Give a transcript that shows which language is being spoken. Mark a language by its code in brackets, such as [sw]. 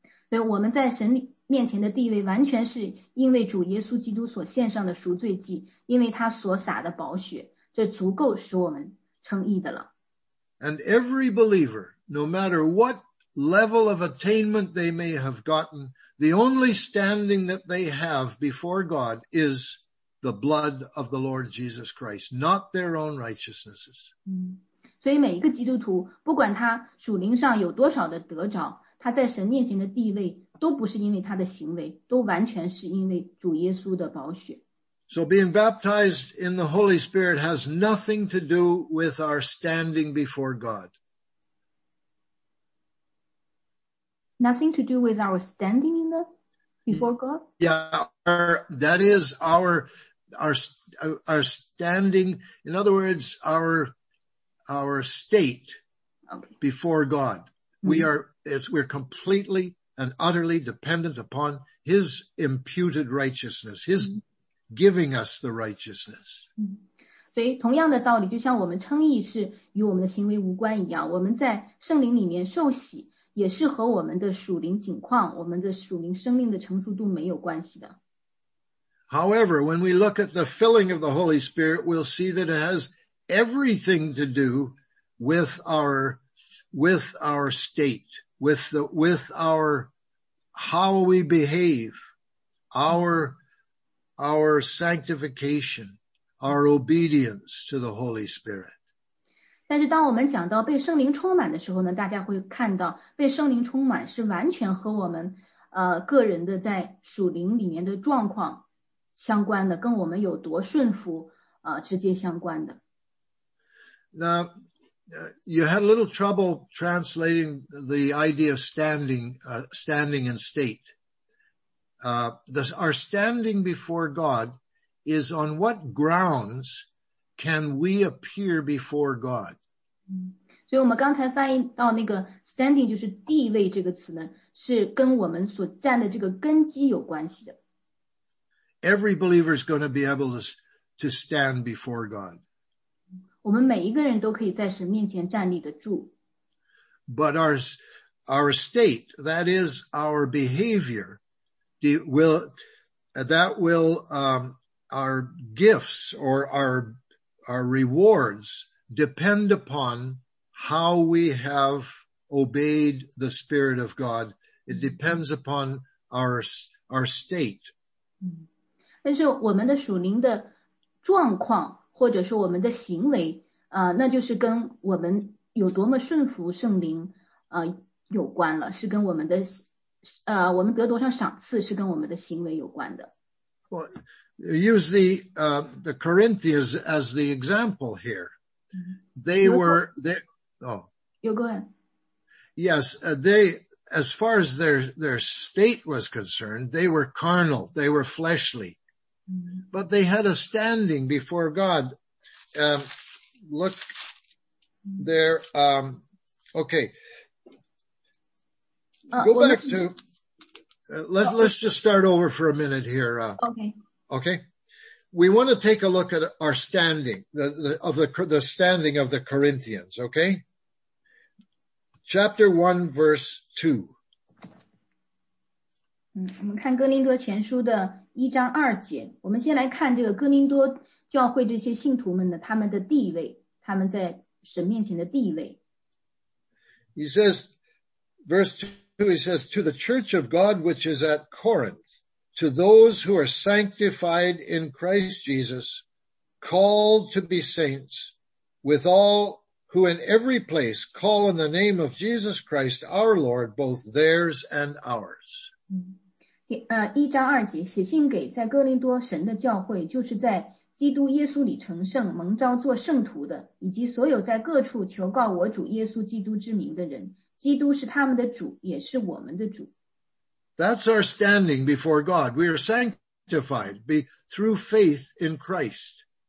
[zh] 所以我们在神面前的地位完全是因为主耶稣基督所献上的赎罪祭，因为他所洒的宝血，这足够使我们称义的了。 [en] And every believer, no matter what level of attainment they may have gotten, the only standing that they have before God is the blood of the Lord Jesus Christ, not their own righteousnesses. [zh] 所以每一个基督徒，不管他属灵上有多少的得着，他在神面前的地位都不是因为他的行为，都完全是因为主耶稣的宝血。 [en] So being baptized in the Holy Spirit has nothing to do with our standing before God. Nothing to do with our standing in the before God? Yeah, that is our standing. In other words, our state before God. We're completely and utterly dependent upon his imputed righteousness, his giving us the righteousness. [zh] 所以同样的道理，就像我们称义是与我们的行为无关一样，我们在圣灵里面受洗也是和我们的属灵景况，我们的属灵生命的成熟度没有关系的。 [en] However, when we look at the filling of the Holy Spirit, we'll see that it has everything to do with our state, with our how we behave, our sanctification, our obedience to the Holy Spirit. [zh] 但是当我们讲到被圣灵充满的时候呢，大家会看到被圣灵充满是完全和我们个人的在属灵里面的状况相关的，跟我们有多顺服直接相关的。 [en] Now, you had a little trouble translating the idea of standing in state. Our standing before God is on what grounds can we appear before God? [zh] 所以我们刚才翻译到那个 standing 就是地位这个词呢，是跟我们所站的这个根基有关系的。 [en] Every believer is going to be able to stand before God. [zh] 我们每一个人都可以在神面前站立得住。 [en] But our state, that is our behavior, our gifts or our rewards depend upon how we have obeyed the Spirit of God. It depends upon our state. [zh] 但是我们的属灵的状况或者说我们的行为那就是跟我们有多么顺服圣灵有关了，是跟我们的我们得多少赏赐是跟我们的行为有关的。 [en] Well, use the Corinthians as the example here. They were, You go ahead. Yes, they, as far as their state was concerned, they were carnal, they were fleshly. But they had a standing before God. Look there. Go back to, let's just start over for a minute here. Okay. We want to take a look at our standing, the standing of the Corinthians, okay? Chapter 1, verse 2. [zh] 我们看哥林多前书的一章二节，我们先来看这个哥林多教会这些信徒们的他们的地位，他们在神面前的地位。 [en] He says, verse 2, he says, to the church of God which is at Corinth, to those who are sanctified in Christ Jesus, called to be saints, with all who in every place call on the name of Jesus Christ, our Lord, both theirs and ours. [zh] 一章二节，写信给在哥林多神的教会，就是在基督耶稣里成圣蒙召做圣徒的，以及所有在各处求告我主耶稣基督之名的人，基督是他们的主，也是我们的主。 [en] That's our standing before God. We are sanctified through faith in Christ.